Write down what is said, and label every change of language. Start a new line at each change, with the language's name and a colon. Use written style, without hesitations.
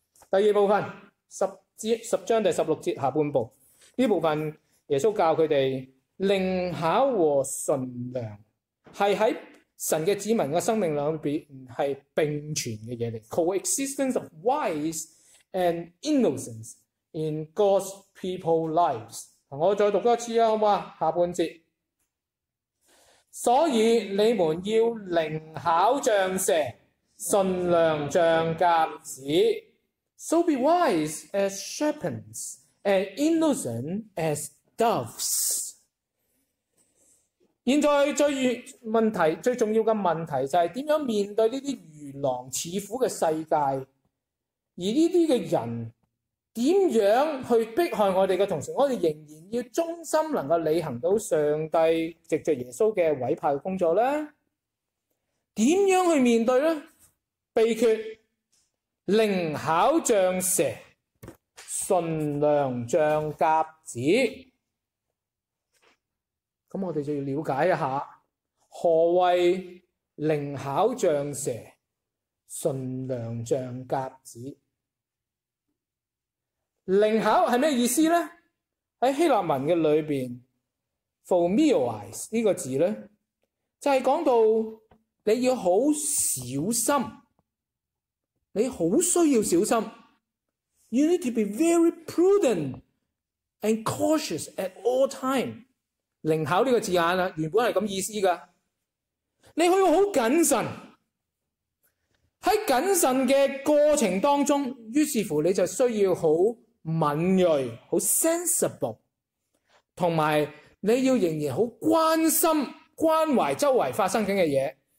Cantonese: 第二部分十章第16节下半部呢部分，耶稣教佢哋灵巧和纯良系喺神嘅子民嘅生命两边系并存嘅嘢嚟 ，
English: coexistence of wise and innocence in God's people lives。
Cantonese: 我再读多一次啊，好嘛？下半节。所以你们要灵巧像蛇，顺良像鸽子。
English: So be wise as serpents, and innocent as doves。
Cantonese: 现在最重要的问题就是怎样面对这些如狼似虎的世界，而这些的人怎样去迫害我们的同时，我们仍然要忠心能够履行到上帝藉着耶稣的委派的工作呢？怎样去面对呢？秘诀：灵巧像蛇，顺良像鸽子。那我们就要了解一下何谓灵巧像蛇，顺良像鸽子。灵巧是什么意思呢？在希腊文的里面 ,familiarize 这个字呢，就是讲到你要好小心，你好需要小心。
English: You need to be very prudent and cautious at all time.
Cantonese: 灵巧这个字眼原本是这个意思的。你要好谨慎。在谨慎的过程当中，于是乎你就需要好敏锐，好 sensible， 同埋你要仍然好关心关怀周围发生紧嘅嘢。